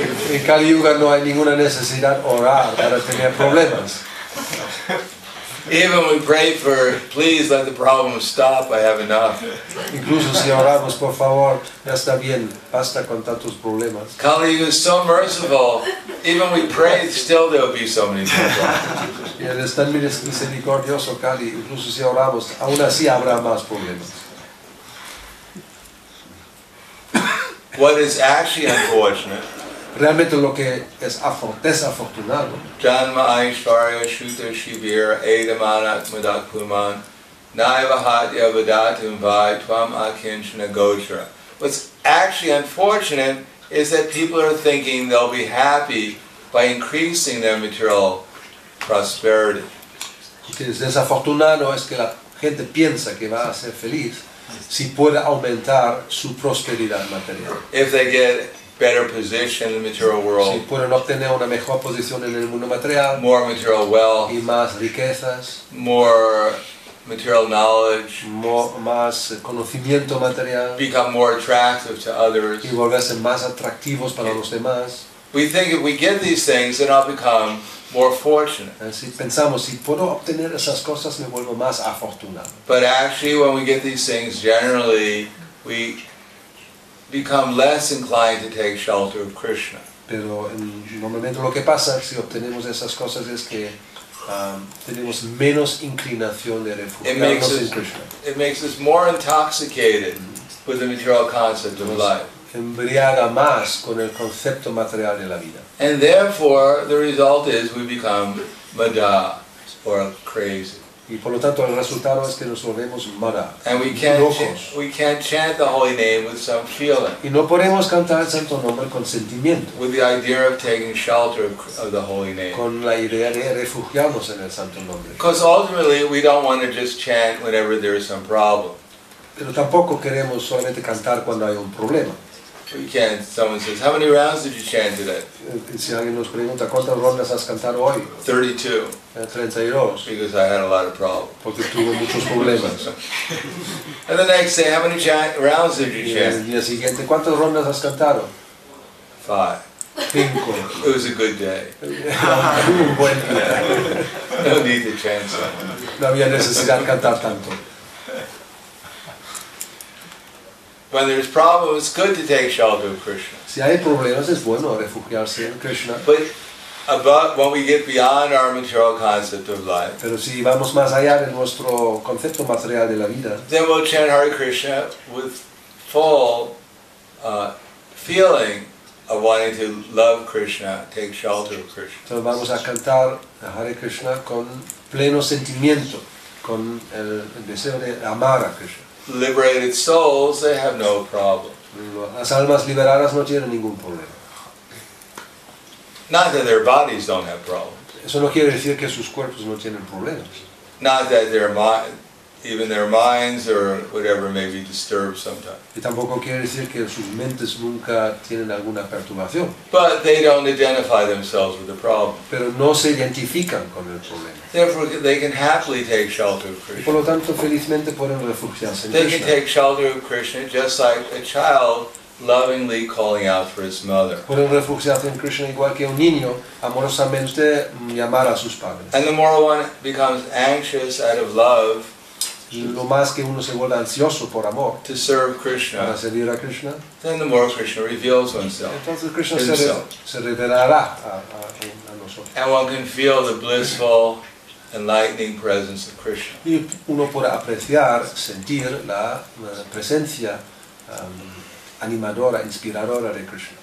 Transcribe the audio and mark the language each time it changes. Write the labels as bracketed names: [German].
[Spanish] En Kali Yuga no hay ninguna necesidad orar para tener problemas. [English] Even we pray for, please let the problem stop. I have enough. [Spanish] Incluso si oramos por favor, ya está bien, basta con tantos problemas. [English] Kali Yuga is so merciful. Even we pray, still there will be so many problems. [Spanish] Y es tan misericordioso Kali, incluso si oramos, aún así habrá más problemas. [English] What is actually unfortunate? [Spanish] Realmente lo que es desafortunado. [Sanskrit] Janma Aishvarya Shuta Shivira Edamana Madakuman Naivahatya Vadatum Vai Twam Akinshana Gotra. [English] What's actually unfortunate is that people are thinking they'll be happy by increasing their material prosperity. [Spanish] Lo que es desafortunado es que la gente piensa que va a ser feliz si puede aumentar su prosperidad material. [English] If they get better position in the material world. [Spanish] Si pueden obtener una mejor posición en el mundo material, [English] more material wealth, [Spanish] y más riquezas, [English] more material knowledge, [Spanish] más conocimiento material, [English] become more attractive to others, [Spanish] y volverse más atractivos para los demás. [English] We think if we get these things, then I'll become more fortunate. [Spanish] Así pensamos, si puedo obtener esas cosas, me vuelvo más afortunado. [English] But actually, when we get these things, generally we become less inclined to take shelter of Krishna. [Spanish] Pero normalmente lo que pasa si obtenemos esas cosas es que tenemos menos inclinación de refugiarnos en Krishna. [English] It makes us more intoxicated with the material concept of life. [Spanish] Embriaga más con el concepto material de la vida. [English] And therefore, the result is we become madha or crazy. [Spanish] Y por lo tanto el resultado es que nos volvemos mara, locos. Y no podemos cantar el santo nombre con sentimiento. [English] With the idea of taking shelter of the holy name. [Spanish] Con la idea de refugiarnos en el santo nombre. [English] Because ultimately we don't want to just chant whenever there is some problem. [Spanish] Pero tampoco queremos solamente cantar cuando hay un problema. [English] We can't. Someone says, "How many rounds did you chant today?" [Spanish] Si alguien nos pregunta cuántas rondas has cantado hoy. [English] 32. Because I had a lot of problems. [Spanish] Porque tuve muchos problemas. [English] And the next day, how many rounds did you chant? [Spanish] Y el siguiente, ¿cuántas rondas has cantado? [English] 5. [Spanish] 5. [English] It was a good day. [Spanish] Tuvo un buen día. [English] No need to chant. [Spanish] No había necesidad de cantar tanto. [English] When there's problems, it's good to take shelter of Krishna. [Spanish] Si hay problemas, es bueno refugiarse en Krishna. [English] But above, when we get beyond our material concept of life, [Spanish] pero si vamos más allá de nuestro concepto material de la vida, [English] then we'll chant Hare Krishna with full feeling of wanting to love Krishna, take shelter of Krishna. [Spanish] Entonces vamos a cantar a Hare Krishna con pleno sentimiento, con el deseo de amar a Krishna. [English] Liberated souls, they have no problem. [Spanish] Las almas liberadas no tienen ningún problema. [English] Not that their bodies don't have problems. [Spanish] Eso no quiere decir que sus cuerpos no tienen problemas. [English] Not that their even their minds or whatever may be disturbed sometimes. [Spanish] Y tampoco quiere decir que sus mentes nunca tienen alguna perturbación. [English] But they don't identify themselves with the problem. [Spanish] Pero no se identifican con el problema. [English] Therefore, they can happily take shelter of Krishna. [Spanish] Y por lo tanto, felizmente pueden refugiarse en Krishna. [English] They can take shelter of Krishna just like a child lovingly calling out for his mother. [Spanish] Pueden refugiarse en Krishna igual que un niño amorosamente llamar a sus padres. [English] And the more one becomes anxious out of love, [Spanish] lo más que uno se vuelve ansioso por amor, [English] to serve Krishna, [Spanish] para servir a Krishna, [English] then the more Krishna reveals oneself. [Spanish] Entonces Krishna se revelará a nosotros. [English] And one can feel the blissful, enlightening presence of Krishna. [Spanish] Y uno puede apreciar, sentir la presencia animadora, inspiradora de Krishna.